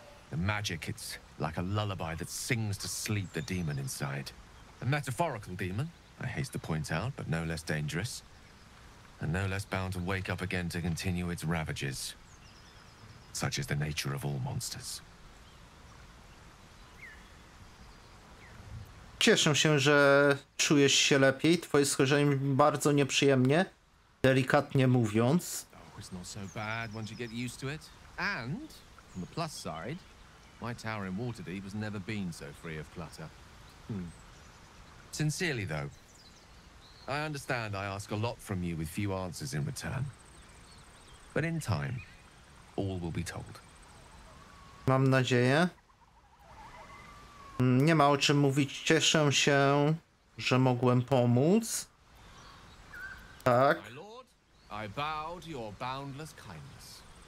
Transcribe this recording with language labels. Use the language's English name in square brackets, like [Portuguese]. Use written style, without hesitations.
[English] The magic, it's like a lullaby that sings to sleep the demon inside. A metaphorical demon, I hasten to point out, but no less dangerous. And no less bound to wake up again to continue its ravages. Such is the nature of all monsters. [Polish] Cieszę się, że czujesz się lepiej. Twoje schorzenie mi bardzo nieprzyjemnie, delikatnie mówiąc. [English] It's not so bad once you get used to it. And, on the plus side, my tower in Waterdeep has never been so free of clutter. Sincerely, though, I understand I ask a lot from you with few answers in return. But in time, all will be told. [Polish] Mam nadzieję. Nie ma o czym mówić. Cieszę się, że mogłem pomóc. Tak. [English] I bow to your boundless kindness.